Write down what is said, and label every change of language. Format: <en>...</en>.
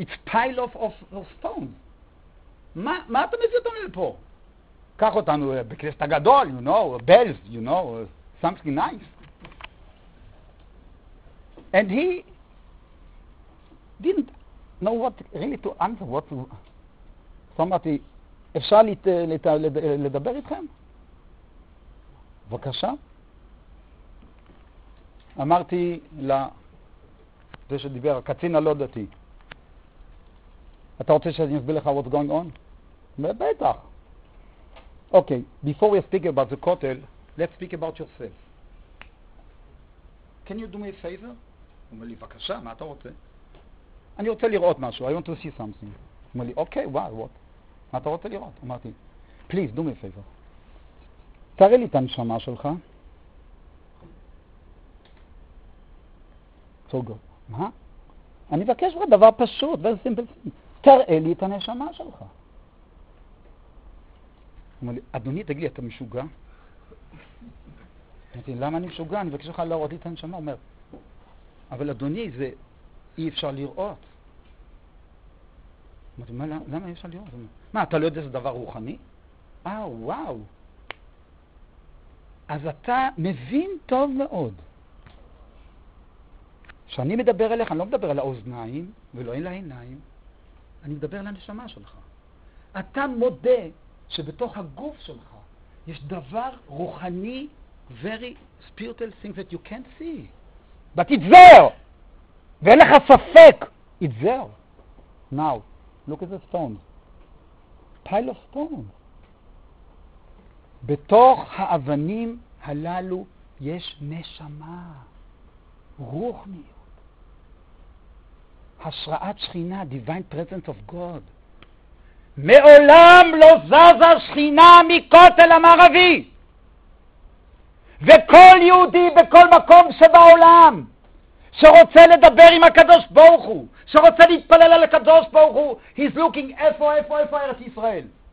<en>It's pile of stone.</en> <he>מה אתה מביא אותנו לפה? קח אותנו בכנסת הגדול,</he> <en>you know, bells, you know, something nice. And he didn't know what really to answer, what to...</en> <he>somebody, אפשר לדבר איתכם? בבקשה. אמרתי לזה שדיבר, הקצין הלא דתי, אתה רוצה שאני אסביר לך what's going on? בטח.</he> <en>Okay, before we speak about the Kotel, let's speak about yourself. Can you do me a favor?</en> <he>הוא אומר לי, בבקשה, מה אתה רוצה? אני רוצה לראות משהו,</he> <en>I want to see something.</en> <he>הוא אומר לי,</he> <en>okay, wow, what?</en> <he>מה אתה רוצה לראות? אמרתי,</he> <en>please, do me a favor.</en> <he>תראה לי את הנשמה שלך.</he> <en>So good.</en> <he>מה? אני אבקש לך דבר פשוט,</he> <en>very simple thing.</en> <he>תראה לי את הנשמה שלך. הוא אומר לי, אדוני, תגיד לי, אתה משוגע? אמרתי, למה אני משוגע? אני מבקש לך להראות לי את הנשמה. הוא אומר, אבל אדוני, זה אי אפשר לראות. אמרתי, למה אי אפשר לראות? מה, אתה לא יודע איזה דבר רוחני? אה, וואו. אז אתה מבין טוב מאוד. כשאני מדבר אליך, אני לא מדבר על האוזניים, ולא אין לה עיניים, אני מדבר על הנשמה שלך. אתה מודה... שבתוך הגוף שלך יש דבר רוחני,</he> <en>very spiritual thing that you can't see. But it's there!</en> <he>ואין לך ספק!</he> <en>It's there. Now, look at the stones. Pile of stones.</en> <he>בתוך האבנים הללו יש נשמה, רוחניות. השראת שכינה,</he> <en>divine presence of God.</en> <he>מעולם לא זזה שכינה מכותל המערבי. וכל יהודי בכל מקום שבעולם שרוצה לדבר עם הקדוש ברוך הוא, שרוצה להתפלל על הקדוש ברוך הוא,</he> <en>he's looking</en> <he>איפה ארץ ישראל.</he>